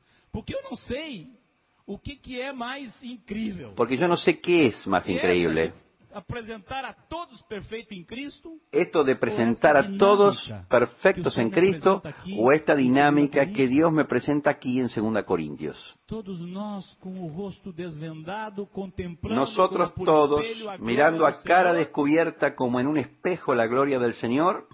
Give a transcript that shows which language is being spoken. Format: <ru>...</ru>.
<pt>Porque eu não sei o que que é mais incrível.</pt> <es>Porque yo no sé qué es más increíble.</es> <pt>Apresentar a todos perfeito em Cristo?</pt> <es>Esto de presentar a todos perfectos en Cristo o esta dinámica que Dios me presenta aquí en 2 Corintios.</es> <pt>Todos nós com o rosto desvendado contemplando.</pt> <es>Nosotros todos mirando a cara descubierta como en un espejo la gloria del Señor.</es>